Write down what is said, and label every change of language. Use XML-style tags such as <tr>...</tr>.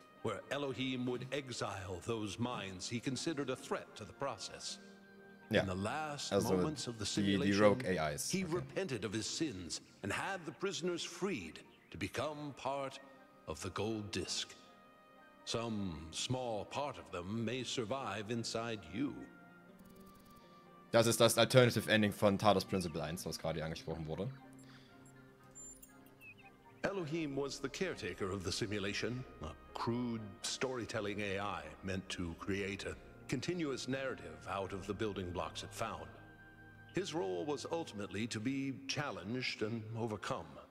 <en>Where Elohim would exile those minds he considered a threat to the process. Yeah. In the last moments of the simulation, the rogue AIs. He repented of his sins and had the prisoners freed to become part of the gold disc. Some small part of them may survive inside you.</en> <de>Das ist das</de> <en>alternative ending</en> <de>von Talos Principle 1, was gerade angesprochen wurde.</de> <en>Elohim was the caretaker of the simulation, a crude storytelling AI meant to create a continuous narrative out of the building blocks it found. His role was ultimately to be challenged and overcome.</en>